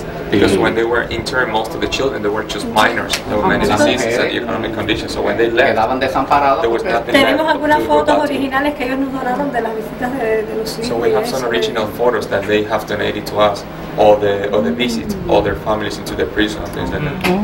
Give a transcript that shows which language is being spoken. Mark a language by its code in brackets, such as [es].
[en] Because when they were interned, most of the children they were just minors. There were many diseases and economic conditions. So when they left, there was nothing. [es] Tenemos algunas fotos originales que ellos nos donaron de las visitas de los hijos. [en] So we have some original photos that they have donated to us. All the visits, all their families into the prison and things like that.